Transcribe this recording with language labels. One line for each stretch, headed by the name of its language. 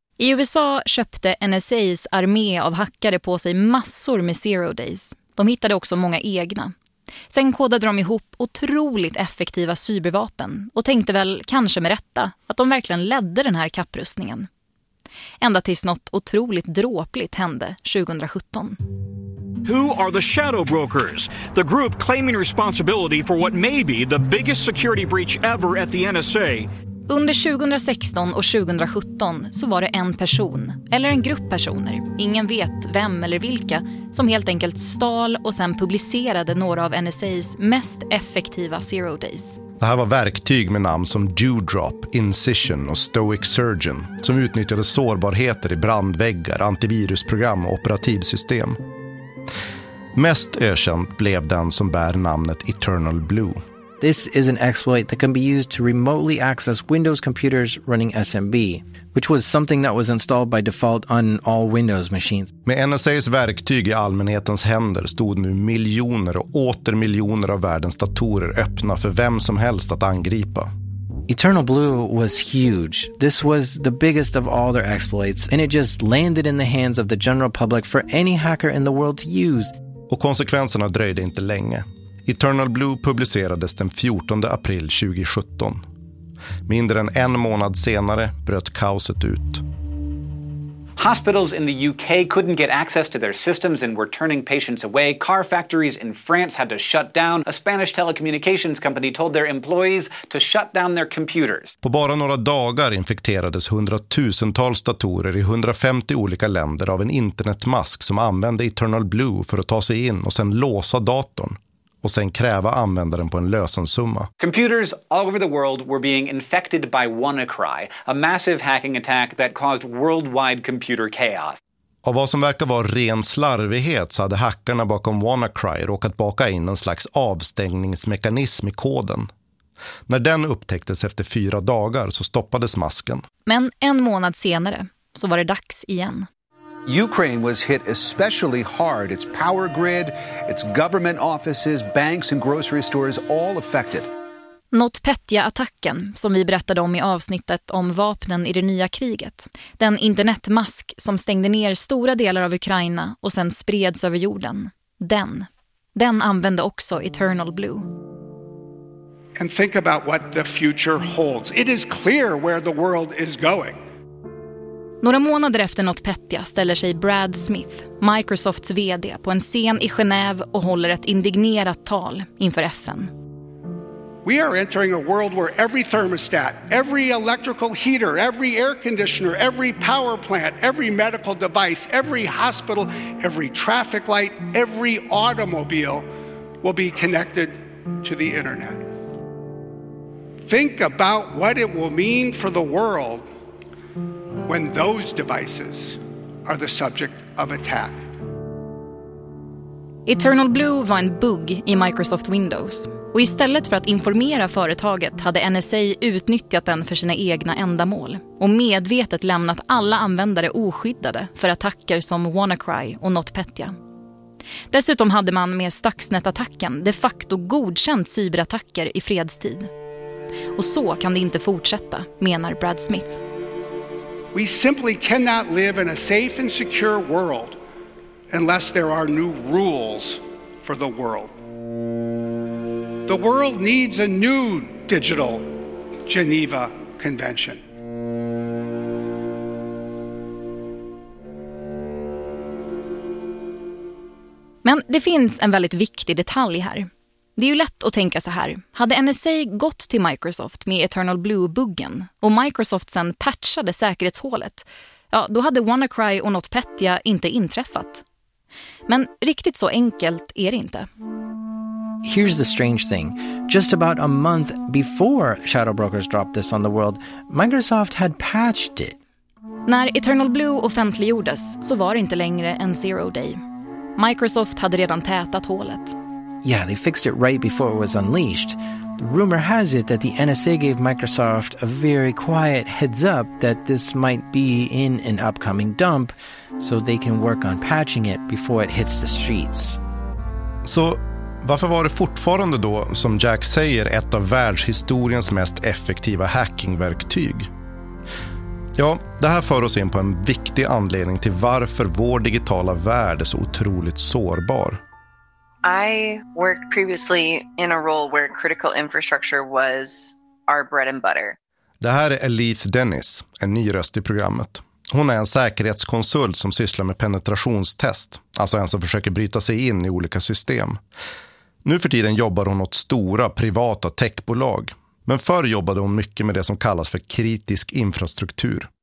Swedish: I USA köpte NSA:s armé av hackare på sig massor med zero days. De hittade också många egna. Sen kodade de ihop otroligt effektiva cybervapen och tänkte väl, kanske med rätta, att de verkligen ledde den här kapprustningen. ända tills något otroligt dråpligt hände 2017.
English: Who are the shadow brokers? The group claiming responsibility for what may be the biggest security breach ever at the NSA.
Swedish: Under 2016 och 2017 så var det en person, eller en grupp personer, ingen vet vem eller vilka, som helt enkelt stal och sen publicerade några av NSAs mest effektiva Zero Days. Det här var verktyg med namn som Dewdrop, Incision och Stoic Surgeon som utnyttjade sårbarheter i brandväggar, antivirusprogram och operativsystem. Mest ökänd blev den som bär namnet Eternal Blue.
English: This is an exploit that can be used to remotely access Windows computers running SMB, which was something that was installed by default on all Windows machines.
Swedish: Med NSAs verktyg i allmänhetens händer stod nu miljoner och åter miljoner av världens datorer öppna för vem som helst att angripa.
English: Eternal Blue was huge. This was the biggest of all their exploits, and it just landed in the hands of the general public for any hacker in the world to use.
Swedish: Och konsekvenserna dröjde inte länge. Eternal Blue publicerades den 14 april 2017. Mindre än en månad senare bröt kaoset ut.
English: Hospitals in the UK couldn't get access to their systems and were turning patients away. Car factories in France had to shut down. A Spanish telecommunications company told their employees to shut down their computers.
Swedish: På bara några dagar infekterades hundratusentals datorer i 150 olika länder av en internetmask som använde Eternal Blue för att ta sig in och sen låsa datorn. Och sen kräva användaren på en lösensumma.
English: Computers all over the world were being infected by WannaCry, a massive hacking attack that caused worldwide computer chaos.
Swedish: Av vad som verkar vara ren slarvighet så hade hackarna bakom WannaCry råkat baka in en slags avstängningsmekanism i koden. När den upptäcktes efter 4 dagar så stoppades masken. Men en månad senare så var det dags igen.
English: Ukraine was hit especially hard. Its power grid, its government offices, banks and grocery stores all affected.
Swedish: NotPetya-attacken, som vi berättade om i avsnittet om vapnen i det nya kriget. Den internetmask som stängde ner stora delar av Ukraina och sen spreds över jorden. Den använde också Eternal Blue.
English: And think about what the future holds. It is clear where the world is going.
Swedish: Några månader efter NotPetya ställer sig Brad Smith, Microsofts vd, på en scen i Genève och håller ett indignerat tal inför FN.
English: We are entering a world where every thermostat, every electrical heater, every air conditioner, every power plant, every medical device, every hospital, every traffic light, every automobile will be connected to the internet. Think about what it will mean for the world when those devices are the subject of attack.
Swedish: Eternal Blue var en bugg i Microsoft Windows. Och istället för att informera företaget hade NSA utnyttjat den för sina egna ändamål och medvetet lämnat alla användare oskyddade för attacker som WannaCry och NotPetya. Dessutom hade man med Stuxnet-attacken de facto godkänt cyberattacker i fredstid. Och så kan det inte fortsätta, menar Brad Smith.
English: We simply cannot live in a safe and secure world unless there are new rules for the world. The world needs a new digital Geneva Convention.
Swedish: Men det finns en väldigt viktig detalj här. Det är ju lätt att tänka så här. Hade NSA gått till Microsoft med Eternal Blue-buggen och Microsoft sen patchade säkerhetshålet, ja, då hade WannaCry och NotPetya inte inträffat. Men riktigt så enkelt är det inte.
English: Here's the strange thing. Just about a month before Shadow Brokers dropped this on the world, Microsoft had patched it.
Swedish: När Eternal Blue offentliggjordes så var det inte längre en Zero Day. Microsoft hade redan tätat hålet.
English: Yeah, they fixed it right before it was unleashed. The rumor has it that the NSA gave Microsoft a very quiet heads up that this might be in an upcoming dump so they can work on patching it before it hits the streets.
Swedish: Så varför var det fortfarande då, som Jack säger, ett av världshistoriens mest effektiva hackingverktyg? Ja, det här för oss in på en viktig anledning till varför vår digitala värld är så otroligt sårbar.
English: I worked previously in a role where critical infrastructure was our bread and butter.
Swedish: Det här är Elise Dennis, en ny röst i programmet. Hon är en säkerhetskonsult som sysslar med penetrationstest, alltså en som försöker bryta sig in i olika system. Nu för tiden jobbar hon åt stora privata techbolag, men förr jobbade hon mycket med det som kallas för kritisk infrastruktur.